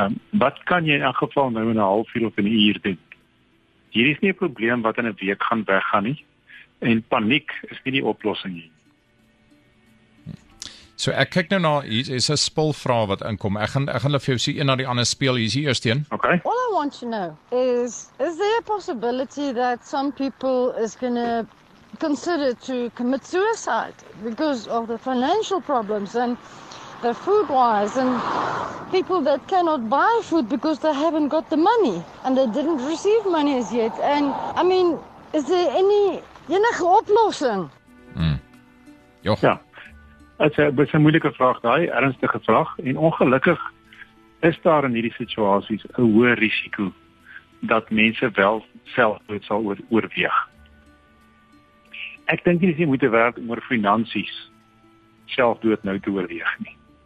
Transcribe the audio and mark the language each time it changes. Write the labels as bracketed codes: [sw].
[af] Wat kan jy in elk geval nou in 'n halfuur of in 'n uur doen? Hier is nie 'n probleem wat in 'n week gaan weggaan nie. En paniek is nie die oplossing nie. So ek kyk nou na, hier is 'n spulvraag wat inkom. Ek gaan vir jou sien een na die ander speel. Hier is die eerste een. [en] Okay. All I want to know is there a possibility that some people is going to consider to commit suicide because of the financial problems and the food wise and people that cannot buy food because they haven't got the money and they didn't receive money as yet. And I mean, is there any [af] enige oplossing? Ja, dit is 'n moeilike vraag daai, ernstige vraag. En ongelukkig is daar in hierdie situasies 'n hoë risiko dat mense wel selfdood sal oorweeg. Ek dink nie dis nie moeite werd om oor finansies selfdood nou te oorweeg nie.